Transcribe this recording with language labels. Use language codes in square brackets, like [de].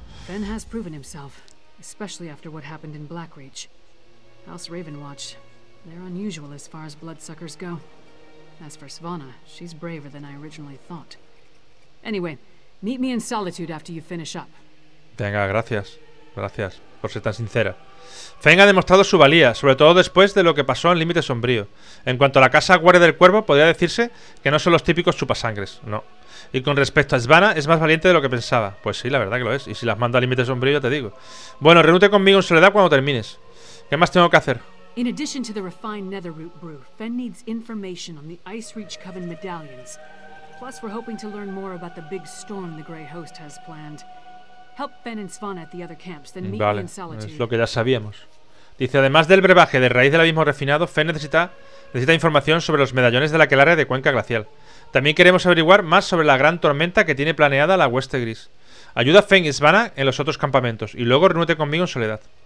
[en] Fenn has proven himself, especially after what happened in Blackreach. House Ravenwatch, they're unusual as far as bloodsuckers go. As for Svana, she's braver than I originally thought. Anyway, meet me in Solitude after you finish up. [es] Venga, gracias. Gracias por ser tan sincera. Fenn ha demostrado su valía, sobre todo después de lo que pasó en Límite Sombrío. En cuanto a la casa guardia del cuervo, podría decirse que no son los típicos chupasangres, no. Y con respecto a Svana, es más valiente de lo que pensaba. Pues sí, la verdad que lo es. Y si las mando a Límite Sombrío, ya te digo. Bueno, reúnete conmigo en Soledad cuando termines. ¿Qué más tengo que hacer? [en] In addition to the refined netherroot brew, Fenn needs information on the Ice Reach Coven medallions. Plus, we're hoping to learn more about the big storm the Grey Host has planned. Help Fenn and Svana at the other camps, then meet [es] vale, [en] me in Solitude. [es] Es lo que ya sabíamos. Dice, además del brebaje de raíz del abismo refinado, Fenn necesita información sobre los medallones de la Aquelarre de Cuenca Glacial. También queremos averiguar más sobre la gran tormenta que tiene planeada la Hueste Gris. Ayuda a Fenn y Svana en los otros campamentos y luego reúnete conmigo en Soledad.